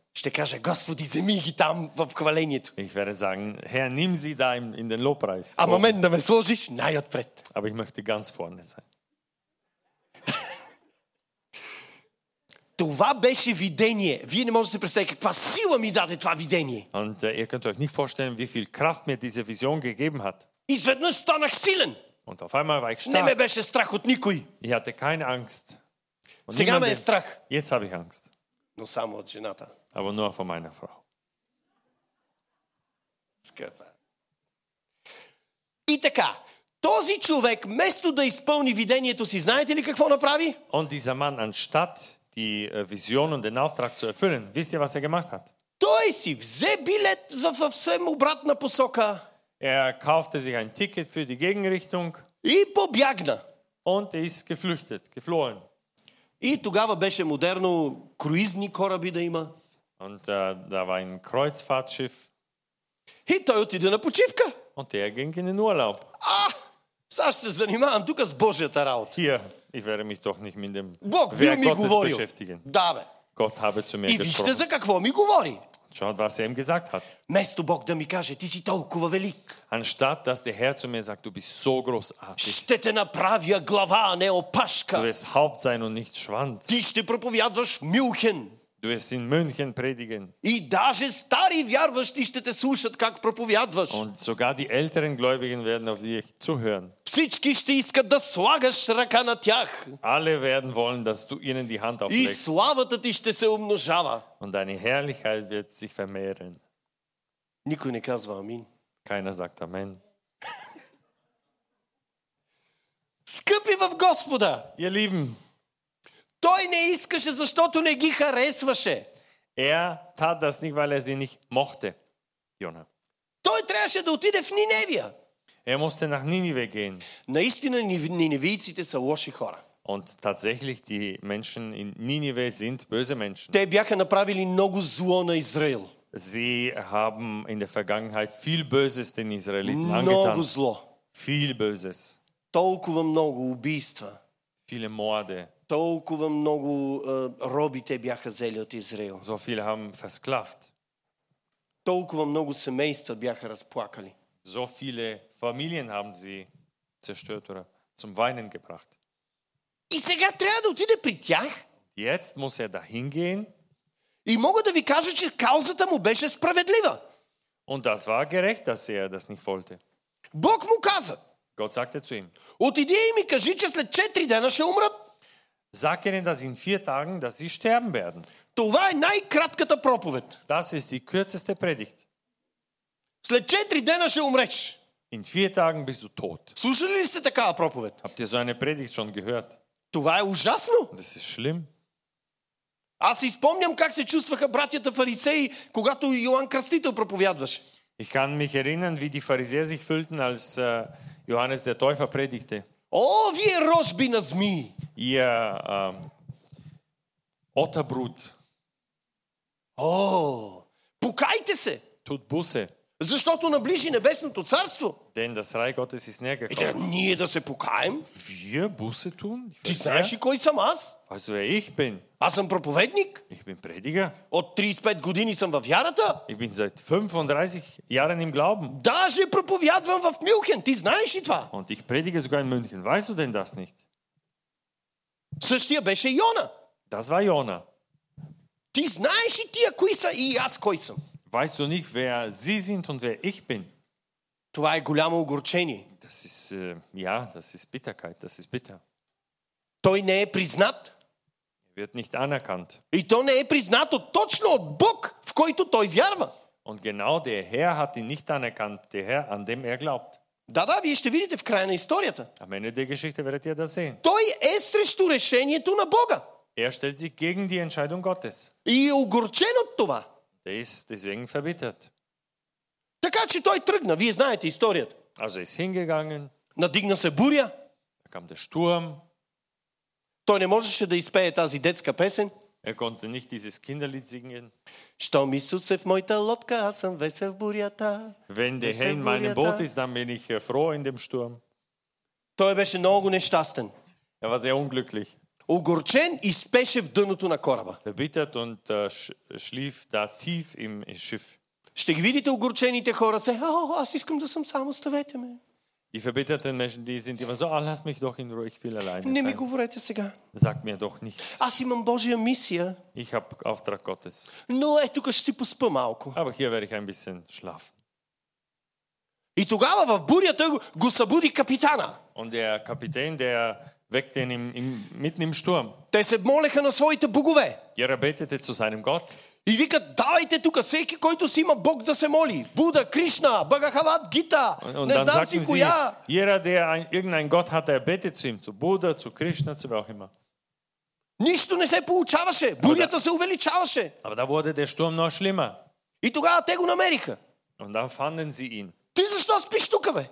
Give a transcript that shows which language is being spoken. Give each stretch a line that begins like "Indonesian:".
Bulgarian: Ще кажа, Господи, вземи ги там в хвалението.
German: Ich werde sagen, Herr, nimm sie da in den Lobpreis. Am Moment, da
Bulgarian: me сложиш най-отпред.
German: Aber ich möchte ganz vorne sein.
Bulgarian: Това беше видение. Вие не можете да представите каква сила ми даде това видение.
German: Und ihr könnt euch nicht vorstellen, wie viel Kraft mir diese Vision gegeben hat.
Bulgarian: Изведнъж станах силен.
German: Und auf einmal war ich stark.
Bulgarian: Не ме беше страх от никой.
German: Ich hatte keine Angst.
Bulgarian: Und сега ме е страх.
German: Jetzt habe ich Angst.
Bulgarian: Но само от жената.
German: Aber nur von meiner Frau.
Bulgarian: Скъпа. И така, този човек, вместо да изпълни видението си, знаете ли какво направи?
German: Und dieser Mann, anstatt die Vision und den Auftrag zu erfüllen, wisst ihr, was er gemacht hat?
Bulgarian: Той си взе билет в съвсем обратна посока.
German: Er kaufte sich ein Ticket für die Gegenrichtung.
Bulgarian: И побягна.
German: Und ist geflüchtet, geflohen.
Bulgarian: И тогава беше модерно круизни кораби да има.
German: Und da war ein Kreuzfahrtschiff.
Bulgarian: И той отиде на почивка.
German: Und er ging in den Urlaub.
Bulgarian: Ах, сега ще се занимавам тук с Божията работа.
German: Hier, ich werde mich doch nicht mit dem Бог Wer Gottes говорил. Beschäftigen.
Bulgarian: Да, бе.
German: Gott habe zu mir
Bulgarian: И
German: gesprochen.
Bulgarian: Вижте за какво ми говори.
German: Schaut, was er ihm gesagt hat.
Bulgarian: Место Бог да ми каже, ти си толкова велик.
German: Anstatt, dass der Herr zu mir sagt, du bist so großartig.
Bulgarian: Ще те направя глава, а не опашка.
German: Du wirst Haupt sein und nicht Schwanz.
Bulgarian: Ти ще проповядваш в Мюнхен.
German: Du wirst in München predigen.
Bulgarian: И даже стари вярващи ще те слушат как проповядваш.
German: Und sogar die älteren Gläubigen werden auf dich zuhören.
Bulgarian: Всички ще искат да слагаш ръка на тях.
German: Alle werden wollen, dass du ihnen die Hand auflegst.
Bulgarian: И славата ти ще се умножава.
German: Und deine Herrlichkeit wird sich vermehren.
Bulgarian: Никой не казва амин.
German: Keiner sagt Amen.
Bulgarian: Скъпи в Господа!
German: Ihr Lieben!
Bulgarian: Той не искаше, защото не ги харесваше.
German: Er tat das nicht, weil er sie nicht mochte, Jona.
Bulgarian: Той трябваше да отиде в Ниневия.
German: Er musste nach Ninive gehen.
Bulgarian: Naistina ninivejците са лоши хора.
German: Und tatsächlich die Menschen in Ninive sind böse Menschen.
Bulgarian: Те бяха направили много зло на Израил.
German: Sie haben in der Vergangenheit viel Böses den Israeliten angetan.
Bulgarian: Много зло.
German: Viel Böses.
Bulgarian: Толкова много убийства.
German: Viele Morde.
Bulgarian: Толкова много роби те бяха взели от Израил.
German: So viele haben versklavt.
Bulgarian: Толкова много семейства бяха разплакали.
German: So viele Familien haben sie zerstört oder zum Weinen gebracht.
Bulgarian: И сега трябва да отиде при тях.
German: Jetzt muss er dahin gehen.
Bulgarian: И мога да ви кажа, че каузата му беше справедлива.
German: Und das war gerecht, dass er das nicht wollte.
Bulgarian: Бог му каза.
German: Gott sagte zu ihm.
Bulgarian: Отиди и ми кажи, че след 4 дена ще умрат.
German: Sag ihnen, dass in 4 Tagen, dass sie sterben werden.
Bulgarian: Това е най-кратката проповед.
German: Das ist die kürzeste Predigt.
Bulgarian: След 4 дена ще умреш.
German: In 4 Tagen bist du tot.
Bulgarian: Слушали ли сте такава проповед?
German: Habt ihr so eine Predigt schon gehört?
Bulgarian: Това е ужасно.
German: Das ist schlimm.
Bulgarian: Аз си спомням как се чувстваха братята фарисеи, когато Йоан Кръстител проповядваше.
German: Ich kann mich erinnern, wie die Pharisäer sich fühlten, als Johannes der Täufer predigte.
Bulgarian: О, вие рожби на змии!
German: Ihr Otterbrut.
Bulgarian: О, покайте се!
German: Тут бусе.
Bulgarian: Защото наближи небесното царство.
German: Denn das Reich Gottes ist näher gekommen.
Bulgarian: Ние да се покаем?
German: Wir Buße tun?
Bulgarian: Ти знаеш ли кой съм аз?
German: Weißt du, wer ich bin?
Bulgarian: Аз съм проповедник.
German: Ich bin Prediger.
Bulgarian: От 35 години съм във вярата.
German: Ich bin seit 35 Jahren im Glauben.
Bulgarian: Даже проповядвам в Мюнхен. Ти знаеш ли това?
German: Und ich predige sogar in München. Weißt du denn das nicht?
Bulgarian: Същия беше Йона.
German: Das war Jona.
Bulgarian: Ти знаеш ли тия кои са и аз кой съм?
German: Weißt du nicht, wer sie sind und wer ich bin?
Bulgarian: Това е голямо огорчение.
German: Das ist, ja, das ist Bitterkeit, das ist bitter.
Bulgarian: Той не е признат.
German: Wird nicht anerkannt.
Bulgarian: И то не е признато точно от Бог, в който той вярва.
German: Und genau der Herr hat ihn nicht anerkannt, der Herr, an dem er glaubt.
Bulgarian: Да, вие ще видите в края на историята.
German: Am Ende der Geschichte werdet ihr das sehen.
Bulgarian: Той е срещу решението на Бога.
German: Er stellt sich gegen die Entscheidung Gottes.
Bulgarian: И е огорчен от това.
German: Er ist deswegen verbittert.
Bulgarian: Така че той тръгна, вие знаете историята.
German: Also ist hingegangen.
Bulgarian: Надигна се буря.
German: Da kam der Sturm.
Bulgarian: Той не можеше да изпее тази детска песен.
German: Er konnte nicht dieses Kinderlied singen.
Bulgarian: Щом Исус е в моята лодка, аз съм весел в бурята.
German: Wenn der Herr in meinem Boot ist, dann bin ich froh in dem Sturm.
Bulgarian: Той беше много нещастен.
German: Er war sehr unglücklich.
Bulgarian: Огорчен и спеше в дъното на кораба.
German: Verbittert und schlief da tief im Schiff.
Bulgarian: Ще ги видите огорчените хора се, аз искам да съм само, оставете ме.
German: Die verbitterten Menschen, die sind immer so, ah, lass mich doch in Ruhe, ich will alleine
Bulgarian: sein. Не ми говорете сега.
German: Sag mir doch nichts.
Bulgarian: Аз имам Божия мисия.
German: Ich hab Auftrag Gottes.
Bulgarian: Но е, тук ще си поспа малко.
German: Aber hier werde ich ein bisschen schlafen.
Bulgarian: И тогава в бурята го събуди капитана.
German: Und der Kapitän, der weckte ihn mitten im Sturm.
Bulgarian: Те се молеха на своите богове.
German: Er betete zu seinem Gott.
Bulgarian: И вика, давайте тук всеки, който си има Бог да се моли. Буда, Кришна, Багахават, Гита, не знам си коя.
German: Jeder, der irgendein Gott hat, er betet zu ihm, zu Buddha, zu Krishna, zu wer auch immer.
Bulgarian: Нищо не се получаваше. Бурята се увеличаваше.
German: Aber da wurde der Sturm noch schlimmer.
Bulgarian: И тогава те го намериха.
German: Und dann fanden sie ihn.
Bulgarian: Ти защо спиш тука, бе?